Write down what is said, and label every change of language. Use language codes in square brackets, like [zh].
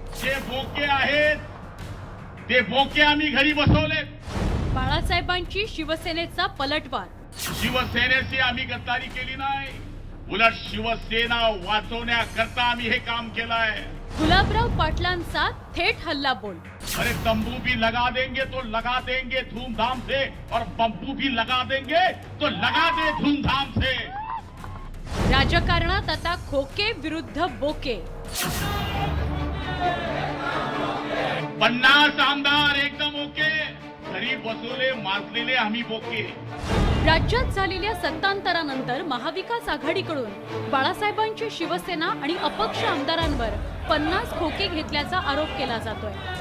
[mr] जे बोके आहेत ते बोके आम्ही घरी बसवले. बाळासाहेबांची शिवसेनेचा पलटवार. शिवसेनेशी आम्ही गद्दारी केली नाही, उलट शिवसेना वाचवण्याकरता आम्ही हे काम केलंय. गुलाबराव पाटलांचा थेट हल्ला बोल. [hi] अरे तंबू भी लगा देंगे तो लगा देंगे धूमधाम से, और बंबू भी लगा देंगे तो लगा दे धूमधाम से. [mr] राजकारणात आता खोके विरुद्ध बोके. 50 आमदार एकदम ओके, घरी बसवले माजलेले आम्ही बोके. राज्यात झालेल्या सत्तांतरानंतर महाविकास आघाडीकडून बाळासाहेबांची शिवसेना आणि अपक्ष आमदारांवर 50 खोके घेतल्याचा आरोप केला जातोय.